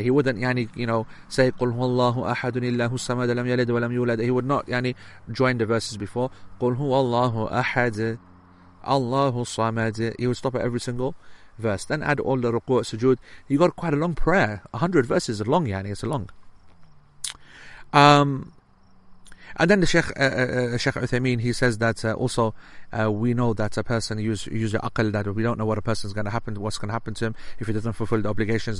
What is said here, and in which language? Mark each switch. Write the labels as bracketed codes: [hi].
[en] He wouldn't, say, [ar] قل هو الله أحد الله الصمد لم يلد ولم يولد. [en] He would not, join the verses before. [ar] قل هو الله أحد الله الصمد. [en] He would stop at every single verse. Then add all the [ar] ركوع والسجود. [en] He got quite a long prayer. 100 verses are long, it's a long. And then the Sheikh Uthaymeen, he says that we know that a person use your aql, that we don't know what a person's going to happen, what's going to happen to him if he doesn't fulfill the obligations.